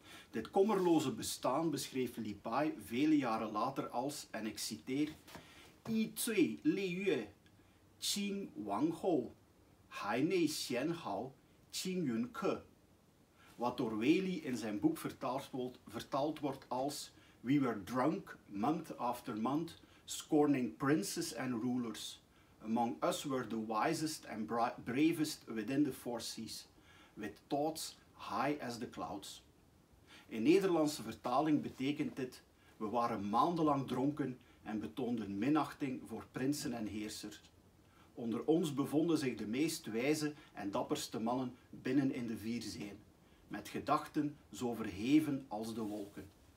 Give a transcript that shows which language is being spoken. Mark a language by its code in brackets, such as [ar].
[nl] Dit kommerloze bestaan beschreef Li Pai vele jaren later als, en ik citeer, [zh] Yi Cui Li Yue, Qing Wang Hou, Hainei Xian Hao, Qing Yun Ke. [nl] Wat door Wely in zijn boek vertaald wordt als [en] We were drunk month after month, scorning princes and rulers. Among us were the wisest and bravest within the four seas, with thoughts high as the clouds. [nl] In Nederlandse vertaling betekent dit, we waren maandenlang dronken en betoonden minachting voor prinsen en heersers. Onder ons bevonden zich de meest wijze en dapperste mannen binnen in de vier zeeën, met gedachten zo verheven als de wolken.